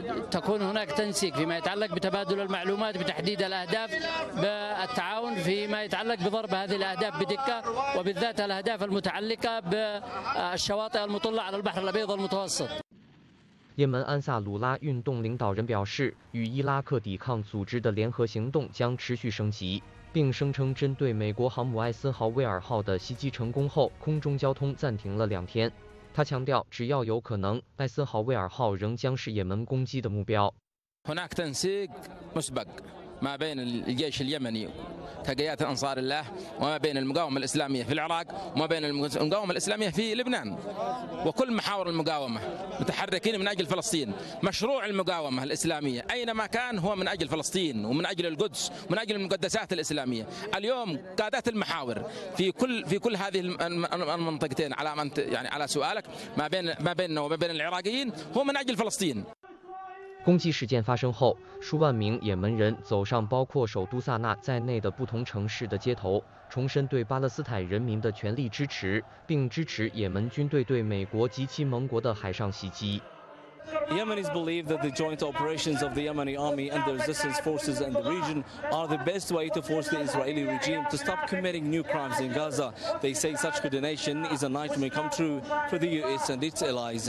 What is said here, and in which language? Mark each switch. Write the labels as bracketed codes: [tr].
[ar] تكون هناك تنسيق فيما يتعلق بتبادل المعلومات بتحديد الأهداف بالتعاون فيما يتعلق بضرب هذه الأهداف بدقة وبالذات الأهداف المتعلقة بالشواطئ المطلة على البحر الأبيض المتوسط. [zh] 也门安萨鲁拉运动领导人表示，与伊拉克抵抗组织的联合行动将持续升级，并声称针对美国航母艾森豪威尔号的袭击成功后，空中交通暂停了两天。他强调，只要有可能，艾森豪威尔号仍将是也门攻击的目标。 [ar] هناك تنسيق مسبق ما بين الجيش اليمني تقيات أنصار الله وما بين المقاومة الإسلامية في العراق وما بين المقاومة الإسلامية في لبنان وكل محاور المقاومة متحركين من أجل فلسطين مشروع المقاومة الإسلامية أينما كان هو من أجل فلسطين ومن أجل القدس ومن أجل المقدسات الإسلامية اليوم قادات المحاور في كل هذه المنطقتين على ما يعني على سؤالك ما بيننا وما بين العراقيين هو من أجل فلسطين。 [zh] 攻击事件发生后，数万名也门人走上包括首都萨那在内的不同城市的街头，重申对巴勒斯坦人民的全力支持，并支持也门军队对美国及其盟国的海上袭击。 [en] Yemenis believe that the joint operations of the Yemeni army and the resistance forces in the region are the best way to force the Israeli regime to stop committing new crimes in Gaza. They say such coordination is a nightmare come true for the US and its allies.